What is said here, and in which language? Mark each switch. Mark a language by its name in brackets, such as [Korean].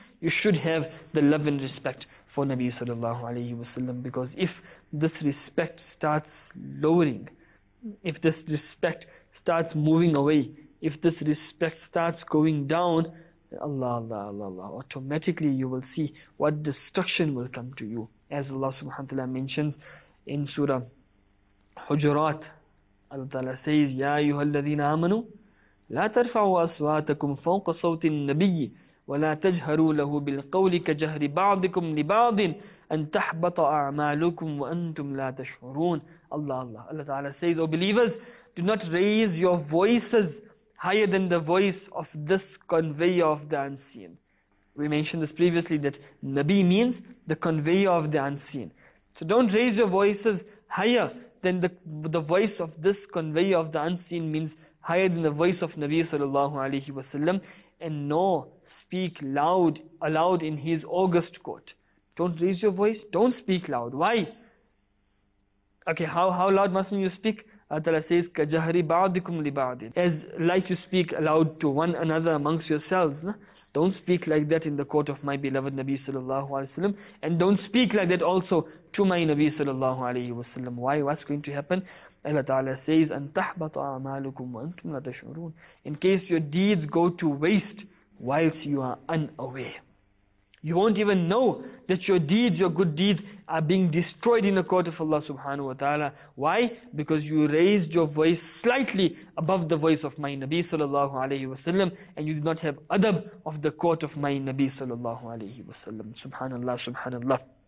[English] You should have the love and respect for Nabi sallallahu alayhi wa sallam. Because if this respect starts lowering, if this respect starts moving away, if this respect starts going down, Allah, Allah, Allah, Allah, automatically you will see what destruction will come to you. As Allah subhanahu wa ta'ala mentions in Surah Hujurat, Allah ta'ala says, [Arabic] Ya ayyuha alladhina amanu, لا ترفعوا أصواتكم فوق صوت النبي ولا تجهروا له بالقول كجهر بعضكم لبعض أن تحبط أعمالكم وأنتم لا تشعرون. [English] Allah, Allah, Allah Ta'ala says, O believers, do not raise your voices higher than the voice of this conveyor of the unseen. We mentioned this previously, that Nabi means the conveyor of the unseen. So don't raise your voices higher than the voice of this conveyor of the unseen, means higher than the voice of Nabi sallallahu alayhi wa sallam, and nor speak loud, aloud in his august court. Don't raise your voice, don't speak loud. Why? Okay, how loud mustn't you speak? Allah Ta'ala says, [Arabic] كَجَهْرِ بَعْضِكُمْ لِبَعْضٍ. [English] As like you speak aloud to one another amongst yourselves. Don't speak like that in the court of my beloved Nabi sallallahu alayhi wa sallam, and don't speak like that also to my Nabi sallallahu alayhi wa sallam. Why? What's going to happen? Allah Ta'ala says, [Arabic] أَن تَحْبَطَ أَعْمَالُكُمْ وَأَنْتُمْ لَا تَشْعُرُونَ. [English] In case your deeds go to waste whilst you are unaware. You won't even know that your deeds, your good deeds are being destroyed in the court of Allah subhanahu wa ta'ala. Why? Because you raised your voice slightly above the voice of my Nabi sallallahu alayhi wa sallam, and you did not have adab of the court of my Nabi sallallahu alayhi wa sallam. Subhanallah, subhanallah.